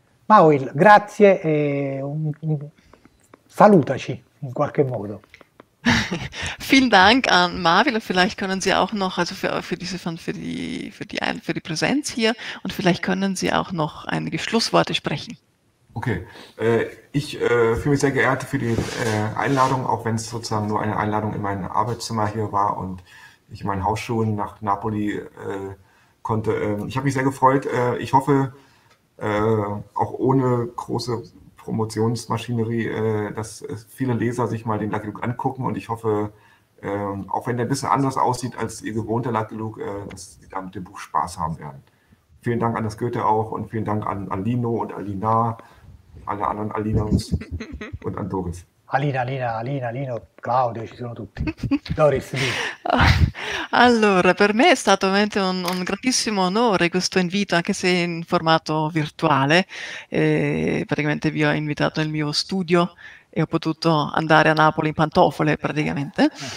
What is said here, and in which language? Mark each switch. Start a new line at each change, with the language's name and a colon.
Italian: Mawil, grazie e salutaci in qualche modo.
German: Vielen Dank an Mawil. Vielleicht können Sie auch noch, also für die Präsenz hier und vielleicht können Sie auch noch einige Schlussworte sprechen. Okay, ich fühle mich sehr geehrt für die Einladung, auch wenn es sozusagen nur eine Einladung in mein Arbeitszimmer hier war und ich in meinen Hausschuhen nach Napoli konnte. Ich habe mich sehr gefreut. Ich hoffe, auch ohne große Promotionsmaschinerie, dass viele Leser sich mal den Lucky Luke angucken und ich hoffe, auch wenn der ein bisschen anders aussieht als ihr gewohnter Lucky Luke, dass sie da mit dem Buch Spaß haben werden. Vielen Dank an das Goethe auch und vielen Dank an Alino und Alina, alle anderen Alinos und an Doris.
Italian: Alina, Alino, Claudio, ci sono tutti. Doris, lì. Allora, per me è stato veramente un grandissimo onore questo invito, anche se in formato virtuale. Praticamente vi ho invitato nel mio studio e ho potuto andare a Napoli in pantofole praticamente.